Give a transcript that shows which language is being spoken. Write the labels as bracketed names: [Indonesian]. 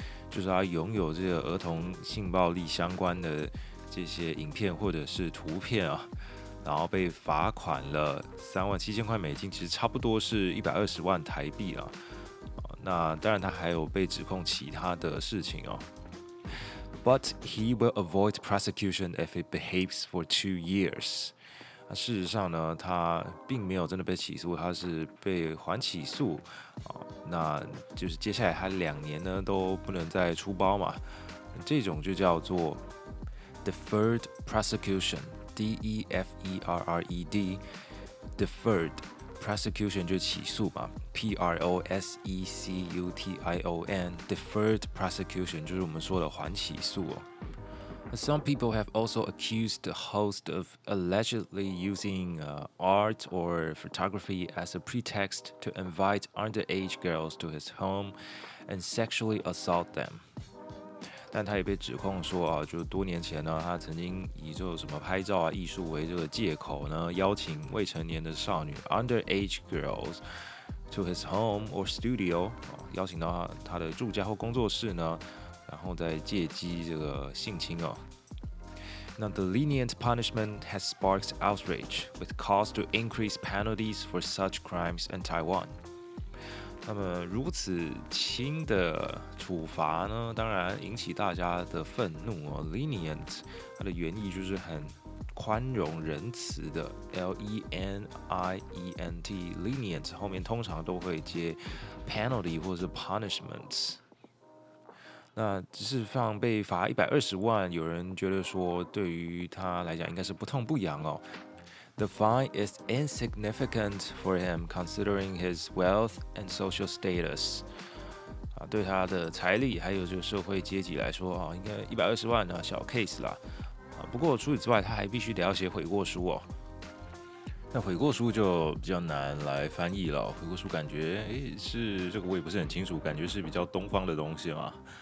[Chinese] 就是他拥有这个儿童性暴力相关的这些影片或者是图片啊，然后被罚款了$37,000，其实差不多是120万台币啊。那当然他还有被指控其他的事情哦。 [English] But he will avoid prosecution if he behaves for 2 years. [Chinese] 事实上呢，他并没有真的被起诉，他是被缓起诉。那就是接下来他2年呢都不能再出包嘛，这种就叫做 deferred prosecution， D-E-F-E-R-R-E-D， deferred prosecution 就起诉嘛， P-R-O-S-E-C-U-T-I-O-N， deferred prosecution 就是我们说的缓起诉哦。 [English] Some people have also accused the host of allegedly using art or photography as a pretext to invite underage girls to his home and sexually assault them. [Chinese] 但他也被指控说啊，就多年前呢，他曾经以这种什么拍照啊、艺术为这个借口呢，邀请未成年的少女 [English] underage girls to his home or studio， [Chinese] 邀请到他的住家或工作室呢。然后再借机这个性侵哦。 [English] 那 the lenient punishment has sparked outrage with calls to increase penalties for such crimes in Taiwan. [Chinese] 那么如此轻的处罚呢，当然引起大家的愤怒哦。 lenient 它的原意就是很宽容仁慈的 ，L-E-N-I-E-N-T lenient 后面通常都会接 penalty 或者是 punishment。那只是放被罚120万，有人觉得说对于他来讲应该是不痛不痒哦。 [English] The fine is insignificant for him considering his wealth and social status. [Chinese] 啊，对他的财力还有就是社会阶级来说啊，应该120万呢小 case 啦。啊，不过除此之外，他还必须得要写悔过书哦。那悔过书就比较难来翻译了。悔过书感觉是这个我也不是很清楚，感觉是比较东方的东西嘛。